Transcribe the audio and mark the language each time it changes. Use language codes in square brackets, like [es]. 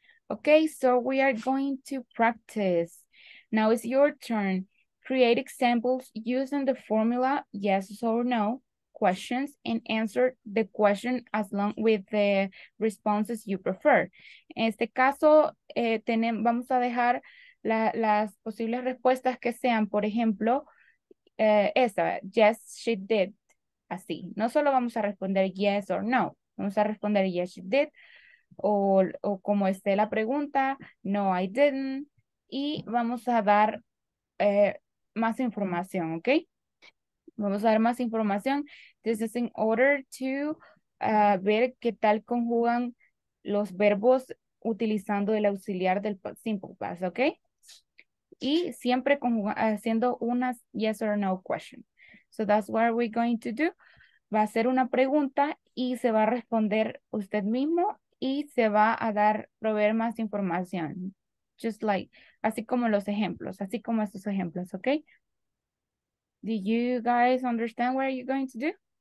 [en] Okay, so we are going to practice. Now it's your turn. create examples using the formula yes or no questions and answer the question as long with the responses you prefer. [es] En este caso, vamos a dejar las posibles respuestas que sean, por ejemplo, esa, yes, she did, así. No solo vamos a responder yes or no, vamos a responder yes, she did, o como esté la pregunta, no, I didn't, y vamos a dar más información, ¿ok? Vamos a dar más información. This is in order to ver qué tal conjugan los verbos utilizando el auxiliar del simple past, ¿ok? Y siempre haciendo unas yes or no question. So that's what we're going to do. Va a ser una pregunta y se va a responder usted mismo y se va a dar, proveer más información. Just like, así como los ejemplos, así como estos ejemplos, ¿ok? [en] Do you guys understand what you're going to do?